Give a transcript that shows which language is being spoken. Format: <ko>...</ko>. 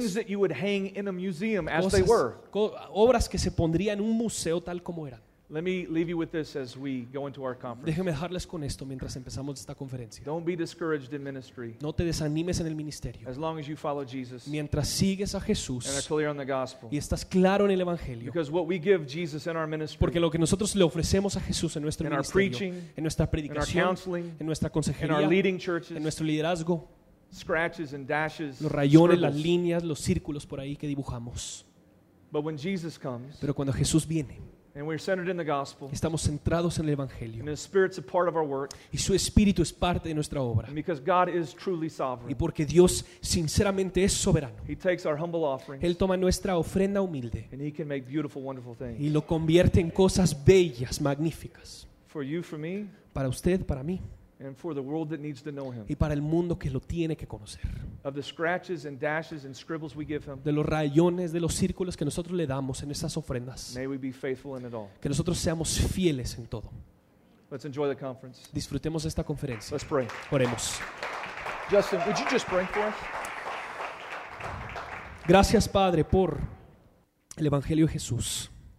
<en>things that you would hang in a museum as they were,</en> <es>obras que se pondría en un museo tal como eran.</es> <en>Let me leave you with this as we go into our conference.</en> <es>Déjeme dejarles con esto mientras empezamos esta conferencia.</es> <en>Don't be discouraged in ministry.</en> <es>No te desanimes en el ministerio.</es> <en>As long as you follow Jesus.</en> <es>Mientras sigues a Jesús.</es> <en>And are clear on the gospel.</en> <es>Y estás claro en el evangelio.</es> <en>Because what we give Jesus in our ministry.</en> <es>Porque lo que nosotros le ofrecemos a Jesús en nuestro ministerio.</es> <en>In our preaching.</en> <es>En nuestra predicación.</es> <en>In our counseling.</en> <es>En nuestra consejería.</es> <en>In our leading churches.</en> <es>En nuestro liderazgo.</es> <en>Scratches and dashes.</en> <es>Los rayones, scribbles, las líneas, los círculos por ahí que dibujamos.</es> <en>But when Jesus comes.</en> <es>Pero cuando Jesús viene.</es> <en>And we're centered in the gospel.</en> <es>Estamos centrados en el evangelio.</es> <en>And his spirit's a part of our work.</en> <es>Y su espíritu es parte de nuestra obra.</es> <en>And because God is truly sovereign.</en> <es>Y porque Dios sinceramente es soberano.</es> <en>He takes our humble offerings.</en> <es>Él toma nuestra ofrenda humilde.</es> <en>And he can make beautiful, wonderful things.</en> <es>Y lo convierte en cosas bellas, magníficas.</es> <en>For you, for me.</en> <es>Para usted, para mí.</es> <en>And for the world that needs to know him.</en> <es>Y para el mundo que lo tiene que conocer.</es> <en>Of the scratches and dashes and scribbles we give him.</en> <es>De los rayones, de los círculos que nosotros le damos en esas ofrendas.</es> <en>May we be faithful in it all.</en> <es>Que nosotros seamos fieles en todo.</es> <en>Let's enjoy the conference.</en> <es>Disfrutemos esta conferencia.</es> <en>Let's pray.</en> <es>Oremos.</es> <en>Justin, would you just pray for us?</en> <es>Gracias, Padre, por el Evangelio de Jesús.</es>